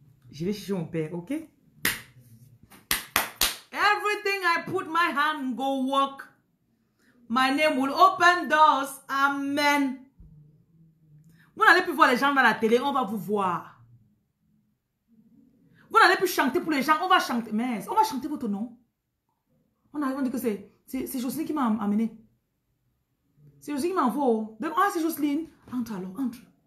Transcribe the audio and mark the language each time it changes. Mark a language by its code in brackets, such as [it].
[fr] Je vais chercher mon père, ok? [en] Everything I put my hand go work. My name will open doors. Amen. [fr] Vous n'allez plus voir les gens dans la télé, on va vous voir. Vous n'allez plus chanter pour les gens, on va chanter. Mais on va chanter votre nom. On arrive, on dit que c'est Jocelyne qui m'a amené. C'est Jocelyne qui m'envoie. Donc, ah, c'est Jocelyne. Entre alors, entre.